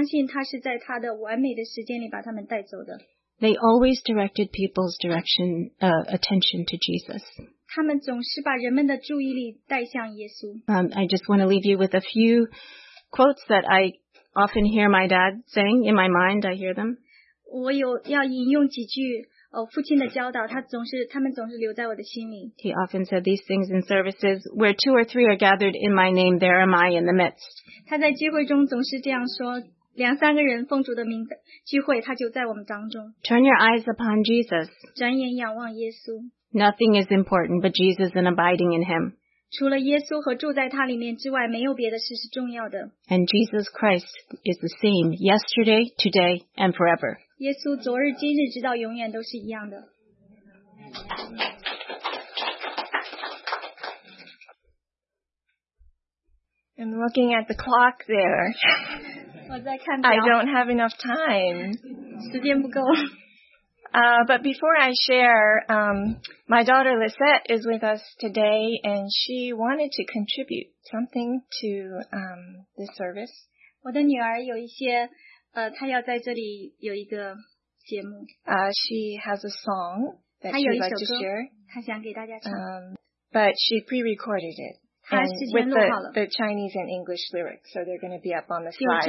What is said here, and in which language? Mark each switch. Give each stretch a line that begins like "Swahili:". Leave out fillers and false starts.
Chinese: 所以我虽然我非常的想念他们，但是我也知道，因为神在他们生命中的每一步都引导了他们，所以我相信他是在他的完美的时间里把他们带走的。
English: They always directed people's direction, attention to Jesus.
Chinese: 他们总是把人们的注意力带向耶稣。
English: I just want to leave you with a few quotes that I often hear my dad saying in my mind. I hear them.
Chinese: 我有要引用几句父亲的教导，他们总是留在我的心里。
English: He often said these things in services, where two or three are gathered in my name, there am I in the midst.
Chinese: 他在聚会中总是这样说，两三个人奉主的名聚会，他就在我们当中。
English: Turn your eyes upon Jesus.
Chinese: 转眼仰望耶稣。
English: Nothing is important but Jesus and abiding in him.
Chinese: 除了耶稣和住在他里面之外，没有别的事是重要的。
English: And Jesus Christ is the same yesterday, today, and forever.
Chinese: 耶稣昨日今日直到永远都是一样的。
English: I'm looking at the clock there.
Chinese: 我在看表。
English: I don't have enough time.
Chinese: 时间不够。
English: But before I share, my daughter Lisette is with us today, and she wanted to contribute something to this service.
Chinese: 我的女儿有一些，她要在这里有一个节目。
English: She has a song that she'd like to share.
Chinese: 她想给大家唱。
English: But she pre-recorded it.
Chinese: 她事先录好了。
English: With the Chinese and English lyrics, so they're going to be up on the slide.